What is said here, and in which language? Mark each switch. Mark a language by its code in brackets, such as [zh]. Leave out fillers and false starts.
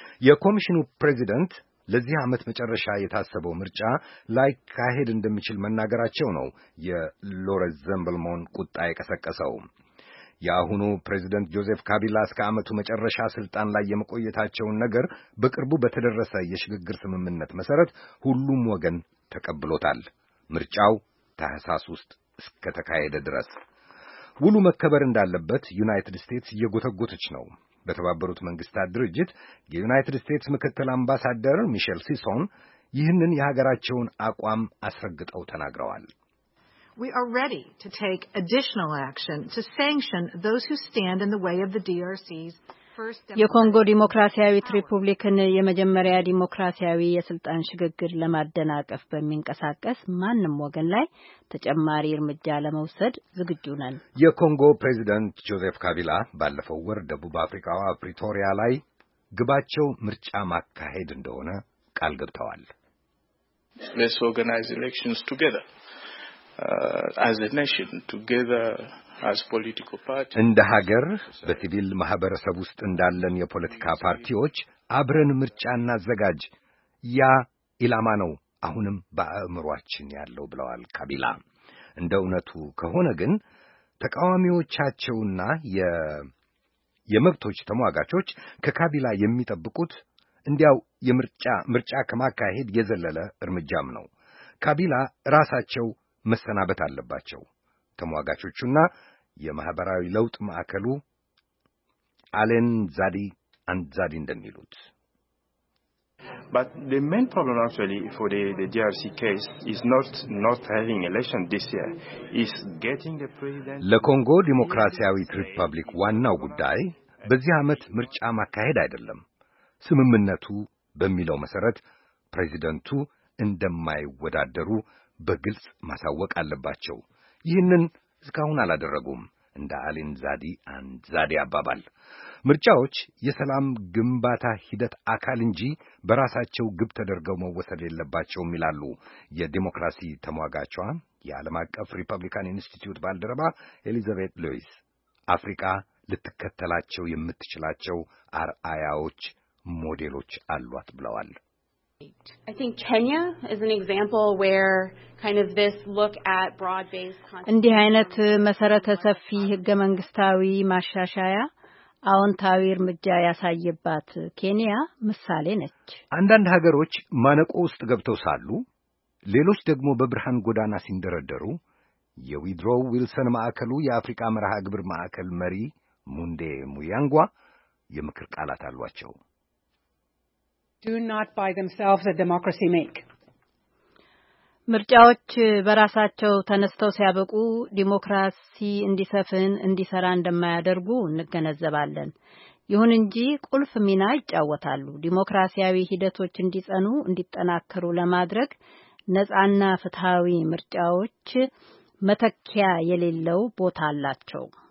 [am] የኮሚሽኑ ፕሬዚደንት ለዚህ ዓመት መጨረሻ የታሰበው ምርጫ ላይ ካሄድ እንደሚችል መናገራቸው ነው የሎረስ ዘምብልሞን ቁጣ የቀሰቀሰው። የአሁኑ ፕሬዚደንት ጆዜፍ ካቢላ እስከ ዓመቱ መጨረሻ ሥልጣን ላይ የመቆየታቸውን ነገር በቅርቡ በተደረሰ የሽግግር ስምምነት መሠረት ሁሉም ወገን ተቀብሎታል። ምርጫው ታህሳስ ውስጥ እስከ ተካሄደ ድረስ ውሉ መከበር እንዳለበት ዩናይትድ ስቴትስ እየጎተጎተች ነው። በተባበሩት መንግስታት ድርጅት የዩናይትድ ስቴትስ ምክትል አምባሳደር ሚሼል ሲሶን ይህንን የሀገራቸውን አቋም አስረግጠው ተናግረዋል። [en] We are ready to take additional action to sanction those who stand in the way of the DRC's first. [am] የኮንጎ ዲሞክራሲያዊት ሪፑብሊክን የመጀመሪያ ዲሞክራሲያዊ የስልጣን ሽግግር ለማደናቀፍ በሚንቀሳቀስ ማንም ወገን ላይ ተጨማሪ እርምጃ ለመውሰድ ዝግጁ ነን። የኮንጎ ፕሬዚደንት ጆዜፍ ካቢላ ባለፈው ወር ደቡብ አፍሪካዋ ፕሪቶሪያ ላይ ግባቸው ምርጫ ማካሄድ እንደሆነ ቃል ገብተዋል። [en] Let's organize elections together as a nation, together as political parties [am] እንደ ሀገር በሲቪል ማህበረሰብ ውስጥ እንዳለን የፖለቲካ ፓርቲዎች አብረን ምርጫና ዘጋጅ ያ ኢላማ ነው አሁንም በአእምሯችን ያለው ብለዋል ካቢላ እንደ እነቱ ከሆነ ግን ተቃዋሚዎቻቸውና የመብቶች ተሟጋቾች ከካቢላ የሚጠብቁት እንዲያው ምርጫ ከመካሄድ የዘለለ እርምጃም ነው ካቢላ ራሳቸው መሰናበት አለባቸው ተሟጋቾቹና የማህበራዊ ለውጥ ማዕከሉ አለን ዛዲ አንዛዲ እንደሚሉት [en] But the main problem actually for the DRC case is not having election this year is getting the president [am] ለኮንጎ ዲሞክራሲያዊት ሪፐብሊክ ዋናው ጉዳይ በዚህ አመት ምርጫ ማካሄድ አይደለም ስምምነቱ በሚለው መሰረት ፕሬዚደንቱ እንደማይወዳደሩ በግልጽ ማሳወቅ አለባቸው ይህንን እስካሁን አላደረጉም እንደ አሊን ዛዲ አንድ ዛዲ አባባል ምርጫዎች የሰላም ግንባታ ሂደት አካል እንጂ በራሳቸው ግብ ተደርገው መወሰድ የለባቸውም ይላሉ የዲሞክራሲ ተሟጋቿ የዓለም አቀፍ ሪፐብሊካን ኢንስቲትዩት ባልደረባ ኤሊዛቤት ሉዊስ አፍሪካ ልትከተላቸው የምትችላቸው አርአያዎች ሞዴሎች አሏት ብለዋል [en] I think Kenya is an example where kind of this look at broad based [am] እንዲህ አይነት መሰረተ ሰፊ ህገ መንግስታዊ ማሻሻያ አውንታዊ እርምጃ ያሳየባት ኬንያ ምሳሌ ነች አንዳንድ ሀገሮች ማነቆ ውስጥ ገብተው ሳሉ ሌሎች ደግሞ በብርሃን ጎዳና ሲንደረደሩ የዊድሮው ዊልሰን ማዕከሉ የአፍሪካ መርሃ ግብር ማዕከል መሪ ሙንዴ ሙያንጓ የምክር ቃላት አሏቸው [en] Do not by themselves a democracy make. [am] ምርጫዎች በራሳቸው ተነስተው ሲያበቁ ዲሞክራሲ እንዲሰፍን እንዲሰራ እንደማያደርጉ እንገነዘባለን። ይሁን እንጂ ቁልፍ ሚና ይጫወታሉ። ዲሞክራሲያዊ ሂደቶች እንዲጸኑ እንዲጠናከሩ ለማድረግ ነጻና ፍትሃዊ ምርጫዎች መተኪያ የሌለው ቦታ አላቸው።